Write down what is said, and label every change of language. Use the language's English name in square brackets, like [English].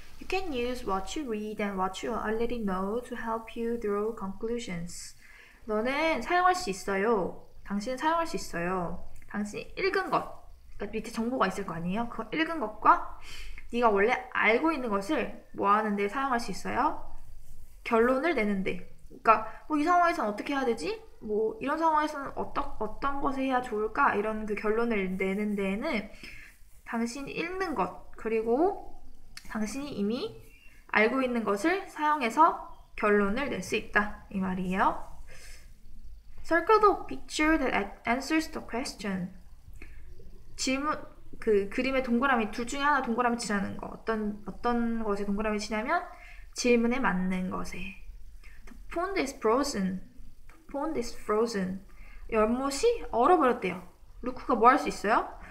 [English] You can use what you read and what you already know to help you draw conclusions. [Korean] 너는 사용할 수 있어요. 당신은 사용할 수 있어요. 당신이 읽은 것, 그러니까 밑에 정보가 있을 거 아니에요? 그 읽은 것과 네가 원래 알고 있는 것을 뭐 하는 데 사용할 수 있어요? 결론을 내는 데. 그러니까 뭐 이 상황에서는 어떻게 해야 되지? 뭐 이런 상황에서는 어떤 것을 해야 좋을까? 이런 그 결론을 내는 데에는 당신이 읽는 것, 그리고 당신이 이미 알고 있는 것을 사용해서 결론을 낼 수 있다. 이 말이에요. [English] Circle the picture that answers the question. [Korean] 질문, 그 그림의 동그라미, 둘 중에 하나 동그라미 치라는 거. 어떤 것에 동그라미 치냐면 질문에 맞는 것에. [English] The pond is frozen. The pond is frozen. [Korean] 연못이 얼어버렸대요. 루크가 뭐 할 수 있어요?